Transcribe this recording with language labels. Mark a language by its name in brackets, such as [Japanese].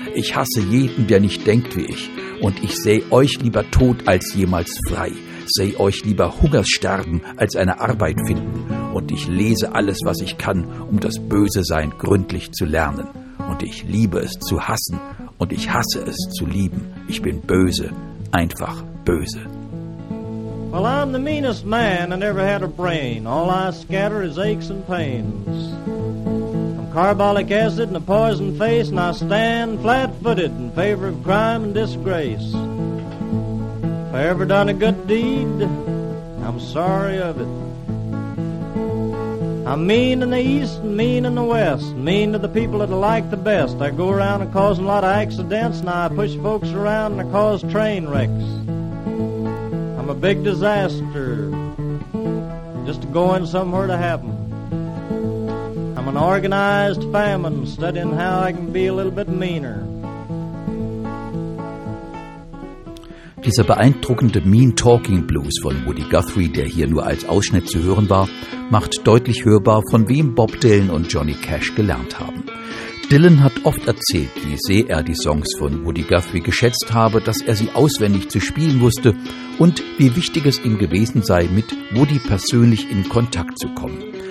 [German] Ich hasse jeden, der nicht denkt wie ich. Und ich sehe euch lieber tot als jemals frei. Sehe euch lieber hungersterben als eine Arbeit finden. Und ich lese alles, was ich kann, um das Böse sein gründlich zu lernen. Und ich liebe es zu hassen und ich hasse es zu lieben. Ich bin böse, einfach böse. [English] Well, I'm the meanest man that ever had a brain. All I scatter is aches and pains. I'm carbolic acid and a poison face, and I stand flat-footed in favor of crime and disgrace. If I ever done a good deed, I'm sorry of it. I'm mean in the east and mean in the west, mean to the people that I like the best. I go around and causing a lot of accidents, and I push folks around and I cause train wrecks. I'm a big disaster, just going somewhere to happen. I'm an organized famine, studying how I can be a little bit meaner. [German] Dieser beeindruckende Mean Talking Blues von Woody Guthrie, der hier nur als Ausschnitt zu hören war, macht deutlich hörbar, von wem Bob Dylan und Johnny Cash gelernt haben. Dylan hat oft erzählt, wie sehr er die Songs von Woody Guthrie geschätzt habe, dass er sie auswendig zu spielen wusste und wie wichtig es ihm gewesen sei, mit Woody persönlich in Kontakt zu kommen.